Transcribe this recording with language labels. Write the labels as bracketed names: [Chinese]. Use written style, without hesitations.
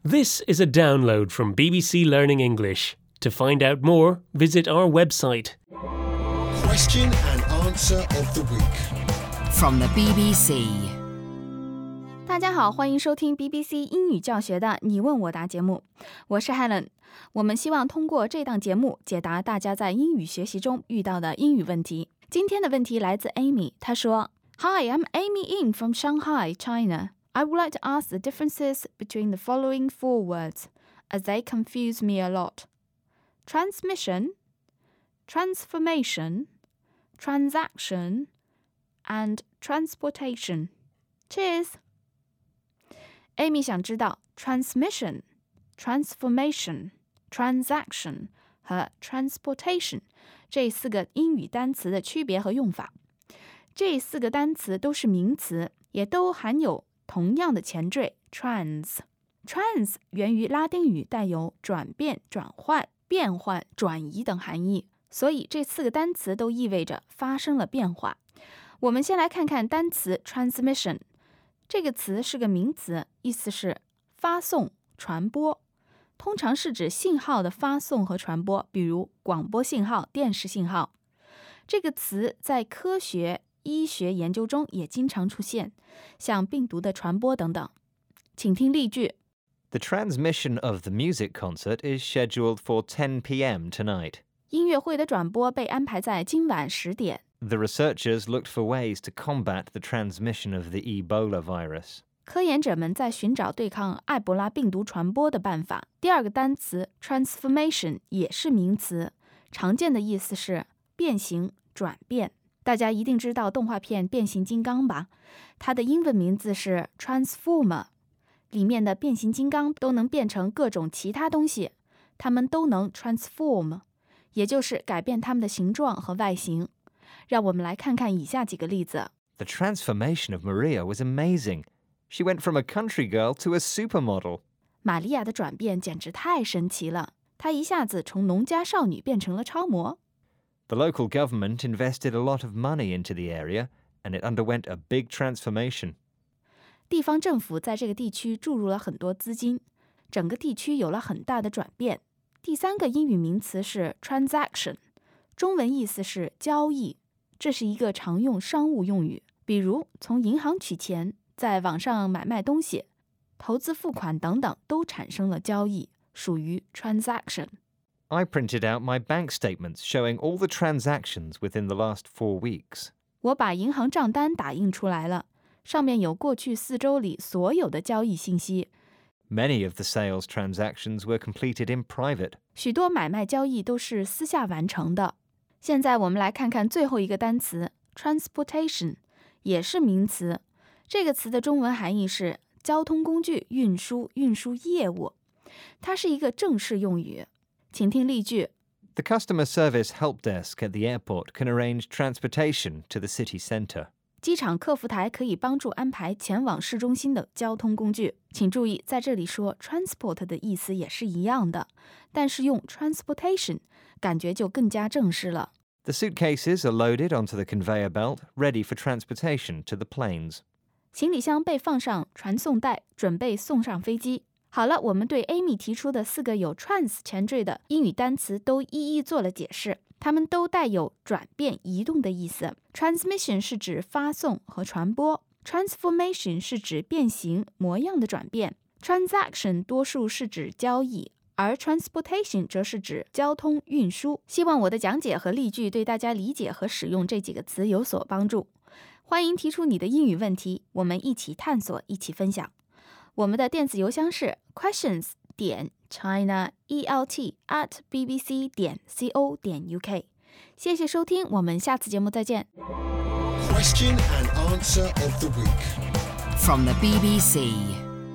[English] This is a download from BBC Learning English. To find out more, visit our website. Question and answer of the week from the BBC. [Chinese] 大家好，欢迎收听 BBC 英语教学的你问我答节目，我是 Helen。我们希望通过这档节目解答大家在英语学习中遇到的英语问题。今天的问题来自 Amy， 她说 ：“ [English] Hi, I'm Amy Ying from Shanghai, China. I would like to ask the differences between the following four words, as they confuse me a lot. Transmission, transformation, transaction, and transportation. Cheers! [Chinese] Amy 想知道 transmission, transformation, transaction 和 transportation 这四个英语单词的区别和用法。这四个单词都是名词，也都含有同样的前缀 trans， trans 源于拉丁语，带有转变、转换、变换、转移等含义，所以这四个单词都意味着发生了变化。我们先来看看单词 transmission， 这个词是个名词，意思是发送、传播，通常是指信号的发送和传播，比如广播信号、电视信号。这个词在科学医学研究中也经常出现，像病毒的传播等等。请听例句。 [English] The transmission of the music concert is scheduled for 10 p.m. tonight. [Chinese] 音乐会的转播被安排在今晚十点。 [English] The researchers looked for ways to combat the transmission of the Ebola virus. [Chinese] 科研者们在寻找对抗埃博拉病毒传播的办法。第二个单词 transformation 也是名词，常见的意思是变形、转变。大家一定知道动画片《变形金刚》吧？它的英文名字是 Transformer， 里面的变形金刚都能变成各种其他东西，它们都能 transform， 也就是改变它们的形状和外形。让我们来看看以下几个例子。 [English] The transformation of Maria was amazing. She went from a country girl to a supermodel. [Chinese] 玛利亚的转变简直太神奇了，她一下子从农家少女变成了超模。 [English] The local government invested a lot of money into the area, and it underwent a big transformation. [Chinese] 地方政府在这个地区注入了很多资金，整个地区有了很大的转变。第三个英语名词是 transaction， 中文意思是交易，这是一个常用商务用语，比如从银行取钱，在网上买卖东西，投资付款等等都产生了交易，属于 transaction。 [English] I printed out my bank statements showing all the transactions within the last 4 weeks. [Chinese] 我把银行账单打印出来了，上面有过去四周里所有的交易信息。 [English] Many of the sales transactions were completed in private. [Chinese] 许多买卖交易都是私下完成的。现在我们来看看最后一个单词 transportation， 也是名词。这个词的中文含义是交通工具、运输、运输业务。它是一个正式用语。请听例句。 [English] The customer service help desk at the airport can arrange transportation to the city center. [Chinese] 机场客服台可以帮助安排前往市中心的交通工具。请注意，在这里说 transport 的意思也是一样的，但是用 transportation 感觉就更加正式了。 [English] The suitcases are loaded onto the conveyor belt, ready for transportation to the planes. [Chinese] 行李箱被放上传送带，准备送上飞机。好了，我们对 Amy 提出的四个有 trans 前缀的英语单词都一一做了解释，它们都带有转变、移动的意思。 Transmission 是指发送和传播， Transformation 是指变形、模样的转变， Transaction 多数是指交易，而 Transportation 则是指交通运输。希望我的讲解和例句对大家理解和使用这几个词有所帮助。欢迎提出你的英语问题，我们一起探索，一起分享。我们的电子邮箱是 questions.chinaelt@bbc.co.uk。谢谢收听，我们下次节目再见。 [English] Question and answer of the week from the BBC.